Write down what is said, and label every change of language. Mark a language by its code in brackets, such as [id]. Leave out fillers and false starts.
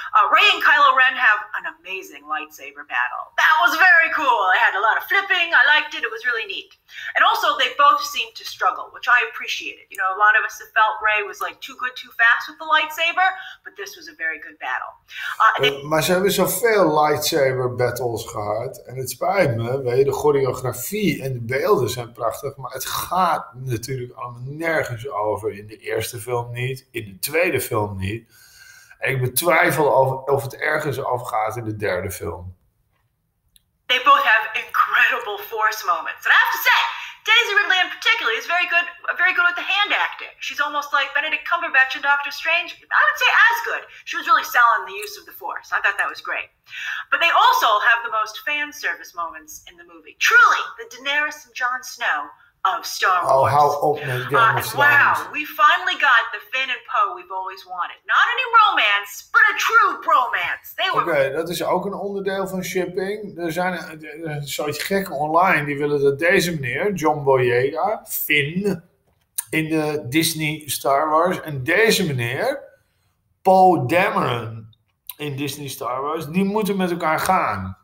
[en] Rey and Kylo Ren have an amazing lightsaber battle. That was very cool. It had a lot of flipping. I liked it. It was really neat. And also, they both seemed to struggle, which I appreciated. You know, a lot of us have felt Rey was like too good, too fast with the lightsaber, but this was a very good battle. [nl] Maar ze hebben zoveel lightsaber battles gehad. En het spijt me, weet je, de choreografie en de beelden zijn prachtig. Maar het gaat natuurlijk allemaal nergens over. In de eerste film niet, in de tweede film niet. Ik betwijfel of het ergens afgaat in de derde film. [en] They both have incredible force moments. And I have to say, Daisy Ridley in particular is very good with the hand acting. She's almost like Benedict Cumberbatch in Doctor Strange. I would say as good. She was really selling the use of the force. I thought that was great. But they also have the most fan service moments in the movie. Truly, the Daenerys and Jon Snow of Star Wars. Oh, how open is Game of Thrones? Wow, we finally got the Finn and Poe we've always wanted. Not any romance, but a true bromance. [nl] Okay, dat is ook een onderdeel van shipping. Er zijn zoiets gek online. Die willen dat deze meneer, John Boyega, Finn, in de Disney Star Wars, en deze meneer, Poe Dameron, in Disney Star Wars, die moeten met elkaar gaan.